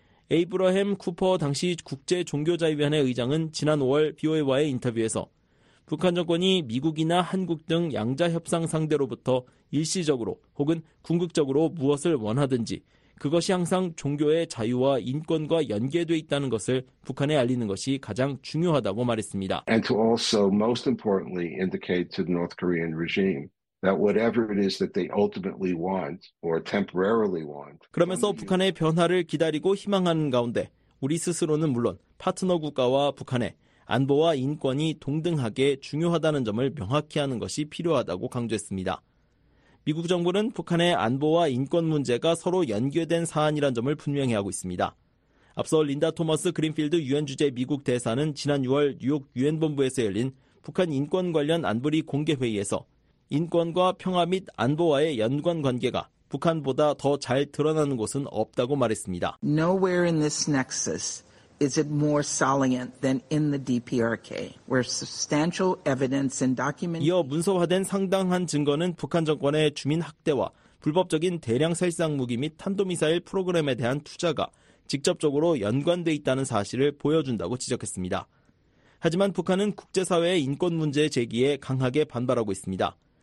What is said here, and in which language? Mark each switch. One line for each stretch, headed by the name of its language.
Korean: 에이브러햄 쿠퍼 당시 국제종교자유위원회 의장은 지난 5월 BOA와의 인터뷰에서 북한 정권이 미국이나 한국 등 양자협상 상대로부터 일시적으로 혹은 궁극적으로 무엇을 원하든지 그것이 항상 종교의 자유와 인권과 연계돼 있다는 것을 북한에 알리는 것이 가장 중요하다고 말했습니다.
English: And to also most importantly indicate to the North Korean regime that whatever it is that they ultimately want or temporarily want.
Korean: 그러면서 북한의 변화를 기다리고 희망하는 가운데 우리 스스로는 물론 파트너 국가와 북한의 안보와 인권이 동등하게 중요하다는 점을 명확히 하는 것이 필요하다고 강조했습니다. 미국 정부는 북한의 안보와 인권 문제가 서로 연계된 사안이란 점을 분명히 하고 있습니다. 앞서 린다 토머스 그린필드 유엔 주재 미국 대사는 지난 6월 뉴욕 유엔 본부에서 열린 북한 인권 관련 안보리 공개 회의에서 인권과 평화 및 안보와의 연관 관계가 북한보다 더 잘 드러나는 곳은 없다고 말했습니다.
English: Nowhere in this nexus is it more salient than in the DPRK, where substantial evidence and documents.
Korean: 이어 문서화된 상당한 증거는 북한 정권의 주민 학대와 불법적인 대량 살상 무기 및 탄도미사일 프로그램에 대한 투자가 직접적으로 연관돼 있다는 사실을 보여준다고 지적했습니다. 하지만 북한은 국제사회의 인권 문제 제기에 강하게 반발하고 있습니다.